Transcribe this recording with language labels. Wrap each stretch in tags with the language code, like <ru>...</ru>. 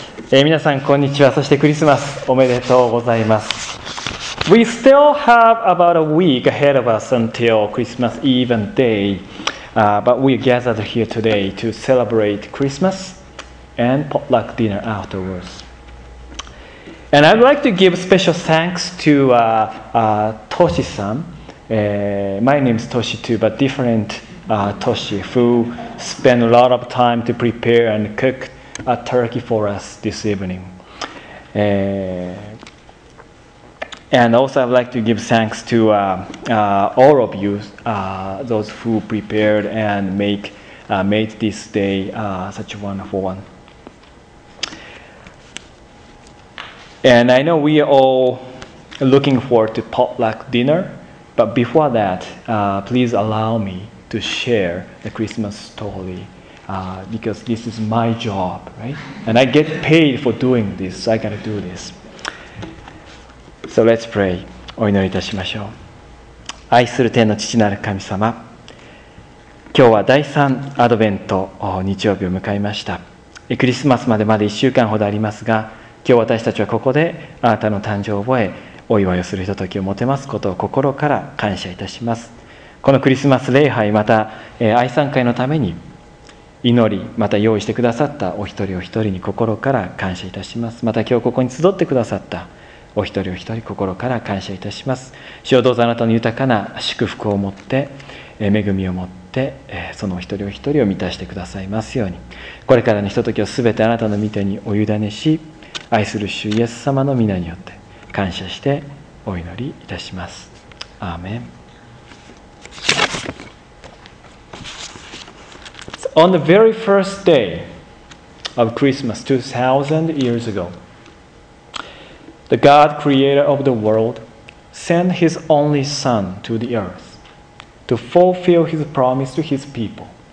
<ja>皆さんこんにちは。そしてクリスマスおめでとうございます。</ja> <en>We still have about a week ahead of us until Christmas Eve and day, but we gathered here today to celebrate Christmas and potluck dinner afterwards. And I'd like to give special thanks to Toshi-san. My name is Toshi too, but different. Toshi, who spent a lot of time to prepare and cook a turkey for us this evening. And also I'd like to give thanks to all of you, those who prepared and made this day such a wonderful one. And I know we are all looking forward to potluck dinner, but before that, please allow me to share the Christmas story, because this is my job, right? And I get paid for doing this, so I gotta do this. So let's pray.</en> <ja>お祈りいたしましょう。愛する天の父なる神様、今日は第3アドベント日曜日を迎えました。クリスマスまでまだ1週間ほどありますが、今日私たちはここであなたの誕生を覚え、お祝いをするひとときを持てますことを心から感謝いたします。このクリスマス礼拝、また愛賛会のために祈り、また用意してくださったお一人お一人に心から感謝いたします。また今日ここに集ってくださったお一人お一人、心から感謝いたします。主よ、どうぞあなたの豊かな祝福を持って、恵みを持って、そのお一人お一人を満たしてくださいますように、これからのひとときをすべてあなたの御手にお委ねし、愛する主イエス様の御名によって感謝してお祈りいたします。アーメン。</ja> <en>So on the very first day of Christmas 2,000 years ago, the God creator of the world sent his only son to the earth to fulfill his promise to his people.</en>